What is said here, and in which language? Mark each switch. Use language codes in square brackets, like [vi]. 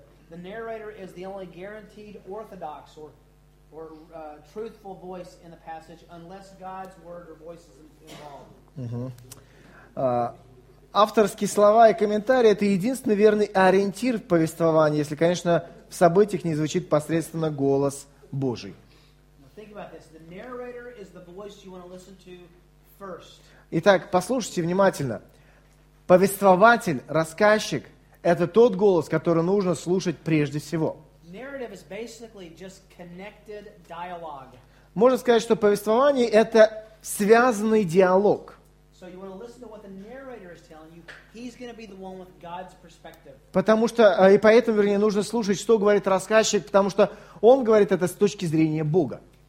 [en] The narrator is the only guaranteed orthodox or truthful voice in the passage, unless God's word or voice is involved. [ru] Авторские слова и комментарии — это единственный верный ориентир в повествовании, если, конечно, в событиях не звучит посредственно голос Божий. [en] Think about this: the narrator is the voice you want to listen to first. [ru] Итак, послушайте внимательно. Повествователь, рассказчик — это тот голос, который нужно слушать прежде всего. [en] Narrative is basically just connected dialogue. [ru] Можно сказать, что повествование — это связанный диалог. [en] So you want to listen to what the narrator is telling you. He's going to be the one with God's perspective. [ru] Потому что, и поэтому, вернее, нужно слушать, что говорит рассказчик, потому что он говорит это с точки зрения Бога.